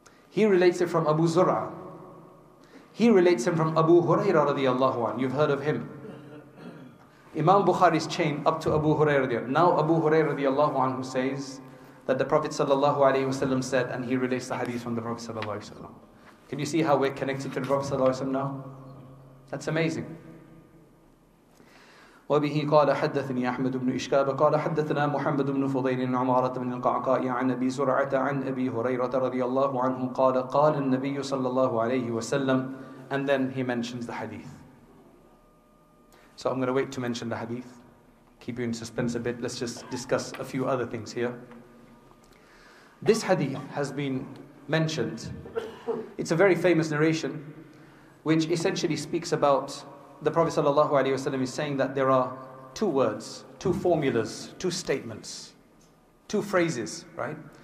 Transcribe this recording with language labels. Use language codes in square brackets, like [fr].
[en] He relates it from Abu Zur'a. He relates him from Abu Hurairah radiallahu anhu. You've heard of him. Imam Bukhari's chain up to Abu Hurairah radiallahu anhu. Now Abu Hurairah radiallahu anhu says that the Prophet sallallahu alayhi wa sallam said, and he relates the hadith from the Prophet sallallahu alayhi wa sallam. Can you see how we're connected to the Prophet sallallahu alaihi wasallam now? That's amazing. [ar] وبه قال حدثني أحمد بن إشكاب قال حدثنا محمد بن فضيل عن عمارة بن القعقاء عن أبي زرعة عن أبي هريرة رضي الله عنه قال قال النبي صلى الله عليه وسلم. [en] And then he mentions the hadith. So I'm going to wait to mention the hadith. Keep you in suspense a bit. Let's just discuss a few other things here. This hadith has been mentioned. It's a very famous narration, which essentially speaks about the Prophet sallallahu alaihi wasallam is saying that there are two words, two formulas, two statements, two phrases, right?